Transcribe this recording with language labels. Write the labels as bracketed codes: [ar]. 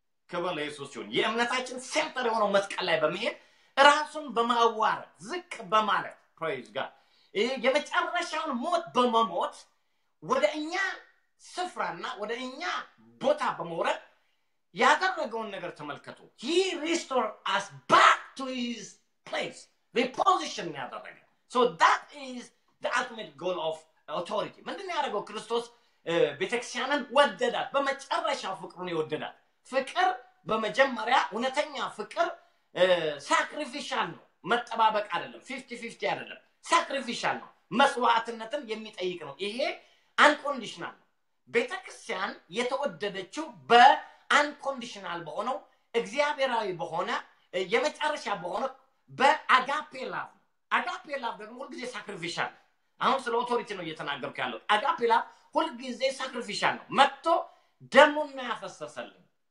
[am] ከበለ ኢየሱስ ይሁን የእምነታችን ሴንተር የሆነው መስቀል ላይ በመሄድ ራሱን በማዋረድ ዝቅ በማለት [en] praise God [am] የመጨረሻውን ሞት በመሞት ወደ እኛ ስፍራና ወደ እኛ ቦታ በመውረድ ያደረገውን ነገር ተመልከቱ። [en] He restored us back to his place. [am] Reposition ያደረገ. [en] So that is the ultimate goal of authority. [am] ምንድን ያደረገው? ክርስቶስ ቤተክርስቲያንን ወደዳት። በመጨረሻ ፍቅሩን ይወደዳት። ፍቅር በመጀመሪያ እውነተኛ ፍቅር ሳክሪፊሻል ነው፣ መጠባበቅ አይደለም፣ 50-50 አይደለም፣ ሳክሪፊሻል ነው፣ መስዋዕትነትን የሚጠይቅ ነው። ይሄ አንኮንዲሽናል ነው። ቤተክርስቲያን የተወደደችው በአንኮንዲሽናል በሆነው እግዚአብሔራዊ በሆነ የመጨረሻ በሆነ በአጋፔ ላቭ ነው። አጋፔ ላቭ ደግሞ ሁልጊዜ ሳክሪፊሻል ነው። አሁን ስለ ኦቶሪቲ ነው እየተናገርኩ ያለው። አጋፔላ ሁልጊዜ ሳክሪፊሻል ነው። መጥቶ ደሙን ነው ያፈሰሰልን፣